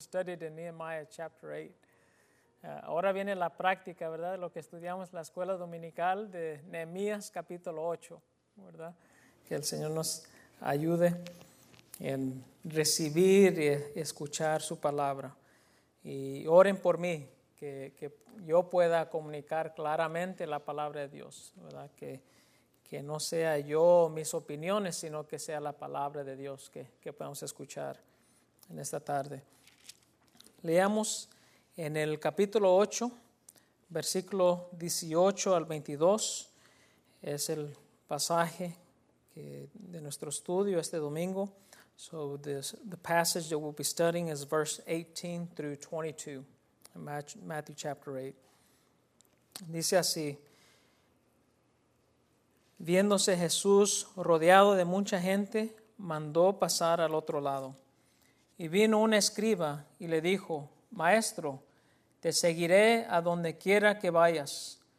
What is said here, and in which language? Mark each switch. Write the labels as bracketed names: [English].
[English] studied in Nehemiah chapter 8. [Spanish] Ahora viene la práctica, ¿verdad? Lo que estudiamos en la escuela dominical de Nehemías capítulo 8, ¿verdad? Que el Señor nos ayude en recibir y escuchar su palabra. Y oren por mí, que yo pueda comunicar claramente la palabra de Dios, ¿verdad? Que no sea yo mis opiniones, sino que sea la palabra de Dios que podamos escuchar en esta tarde. Leamos en el capítulo 8, versículo 18 al 22, es el pasaje de nuestro estudio este domingo. [English] So the passage that we'll be studying is verse 18 through 22, in Matthew chapter 8. [Spanish] Dice así: viéndose Jesús rodeado de mucha gente, mandó pasar al otro lado. Y vino un escriba y le dijo: Maestro, te seguiré a donde quiera que vayas.